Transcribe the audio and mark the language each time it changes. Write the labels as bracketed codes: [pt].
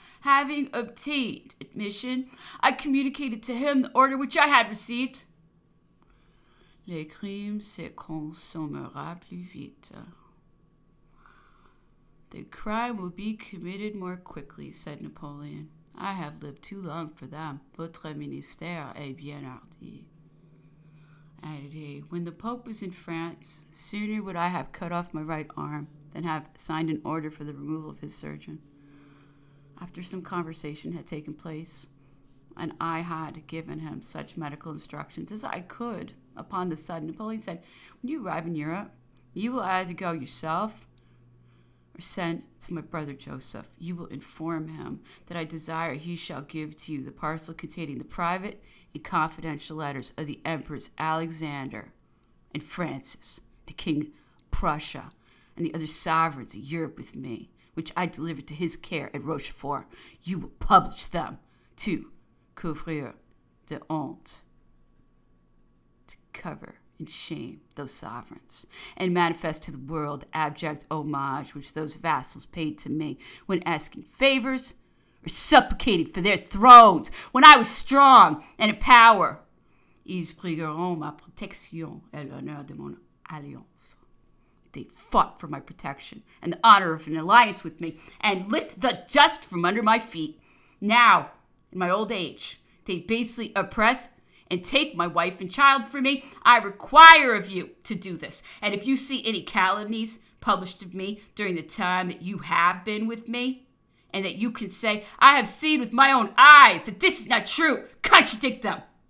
[en] Having obtained admission, I communicated to him the order which I had received. [fr] Les crimes se consommera plus vite. [en] The crime will be committed more quickly, said Napoleon. I have lived too long for them. [fr] Votre ministère est bien hardi, added he. [en] When the Pope was in France, sooner would I have cut off my right arm than have signed an order for the removal of his surgeon. After some conversation had taken place, and I had given him such medical instructions as I could upon the sudden, Napoleon said, when you arrive in Europe, you will either go yourself or send to my brother Joseph. You will inform him that I desire he shall give to you the parcel containing the private and confidential letters of the Emperors Alexander and Francis, the King of Prussia, and the other sovereigns of Europe with me, which I delivered to his care at Rochefort. You will publish them to [fr] couvrir de honte, [en] to cover in shame those sovereigns, and manifest to the world the abject homage which those vassals paid to me when asking favors or supplicating for their thrones, when I was strong and in power. [fr] Ils brigueront ma protection et l'honneur de mon alliance. [en] They fought for my protection and the honor of an alliance with me and licked the dust from under my feet. Now, in my old age, they basely oppress and take my wife and child from me. I require of you to do this. And if you see any calumnies published of me during the time that you have been with me and that you can say, I have seen with my own eyes that this is not true, contradict them.